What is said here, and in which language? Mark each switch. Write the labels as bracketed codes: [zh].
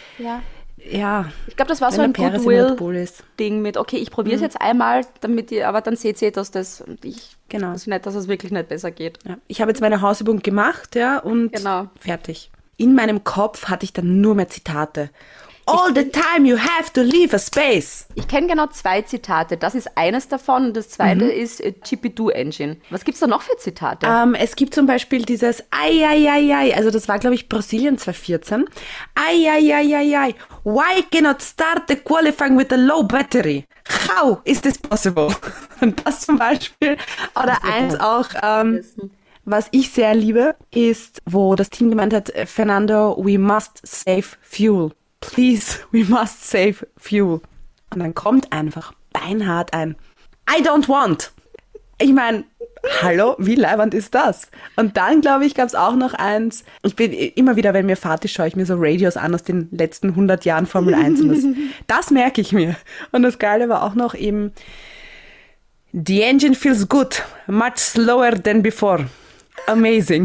[de] Ja. Ja, ich glaube, das war so ein Goodwill-Ding mit, okay, ich probiere es jetzt einmal, damit ihr, aber dann seht ihr, dass das dass es wirklich nicht besser geht. Ja. Ich habe jetzt meine Hausübung gemacht fertig. In meinem Kopf hatte ich dann nur mehr Zitate. [en] All the time you have to leave a space. [de] Ich kenne genau 2 Zitate. Das ist eines davon und das zweite ist GP2-Engine. Was gibt es da noch für Zitate? Es gibt zum Beispiel dieses Ai, also das war, glaube ich, Brasilien 2014. [en] Ai, why cannot start the qualifying with a low battery? How is this possible? [de] Und das zum Beispiel. Oder eins auch, was ich sehr liebe, ist, wo das Team gemeint hat, Fernando, [en] we must save fuel. Please, we must save fuel. [de] Und dann kommt einfach beinhart ein, [en] I don't want. [de] Ich meine, hallo, wie leiwand ist das? Und dann, glaube ich, gab es auch noch eins. Ich bin immer wieder, wenn mir fahrt, schaue ich mir so Radios an aus den letzten 100 Jahren Formel 1. Und das merke ich mir. Und das Geile war auch noch eben, [en] the engine feels good, much slower than before. Amazing.